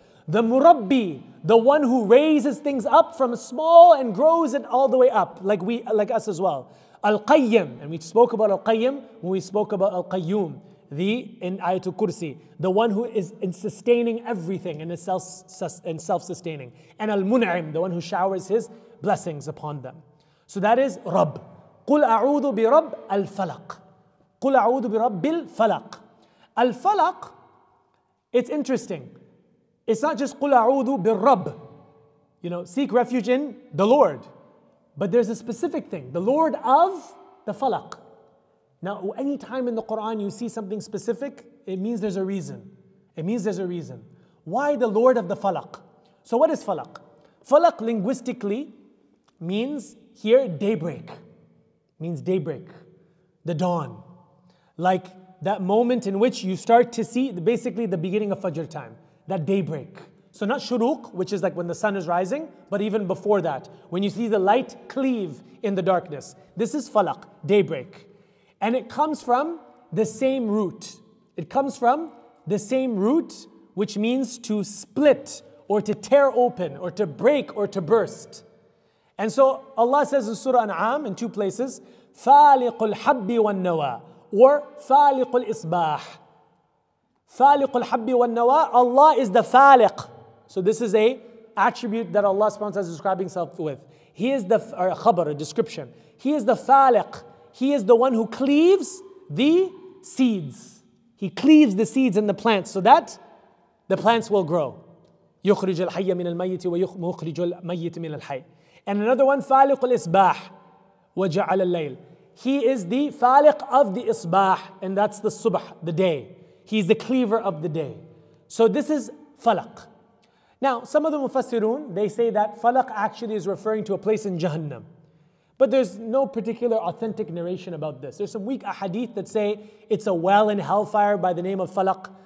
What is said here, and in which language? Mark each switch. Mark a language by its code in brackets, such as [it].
[en] The Murabbi, the one who raises things up from small and grows it all the way up, like us as well. Al-Qayyim, and we spoke about Al-Qayyim when we spoke about Al-Qayyum, the in Ayatul Kursi, the one who is in sustaining everything and is self-sustaining. And Al-Mun'im, the one who showers his blessings upon them. So that is Rabb. [ar] قُلْ أَعُوذُ بِرَبِّ الْفَلَقِ قُلْ أَعُوذُ بِرَبِّ الْفَلَقِ الْفَلَقِ, [en] it's interesting. It's not just [ar] قُلْ أَعُوذُ بِالرَّبِّ, [en] you know, seek refuge in the Lord. But there's a specific thing, the Lord of the Falaq. Now, any time in the Qur'an you see something specific, it means there's a reason. It means there's a reason. Why the Lord of the Falaq? So what is Falaq? Falaq linguistically means here daybreak. Means daybreak, the dawn. Like that moment in which you start to see basically the beginning of Fajr time. That daybreak. So not shuruq, which is like when the sun is rising, but even before that, when you see the light cleave in the darkness. This is falaq, daybreak. And it comes from the same root. It comes from the same root, which means to split, or to tear open, or to break, or to burst. And so Allah says in Surah An'am in two places, [ar] فَالِقُ الْحَبِّ وَالنَّوَى, [en] or [ar] فَالِقُ الْإِصْبَاحِ. فَالِقُ الْحَبِّ وَالنَّوَى, [en] Allah is the [ar] فَالِق. [en] So this is a attribute that Allah subhanahu wa ta'ala is describing himself with. He is the, or a khabar, a description. He is the فَالِق. He is the one who cleaves the seeds. He cleaves the seeds in the plants so that the plants will grow. [ar] يُخْرِجُ الْحَيَّ مِنَ الْمَيِّتِ وَيُخْرِجُ الْمَيِّتِ مِنَ الْحَيِّ. [en] And another one, [ar] فَالِقُ الْإِصْبَاحِ وَجَعَلَ اللَّيْلِ. [en] He is the فَالِق of the إِصْبَاحِ, and that's the صُبْح, the day. He's the cleaver of the day. So this is فَلَق. Now, some of the Mufassirun, they say that فَلَق actually is referring to a place in Jahannam. But there's no particular authentic narration about this. There's some weak ahadith that say it's a well in hellfire by the name of فَلَق.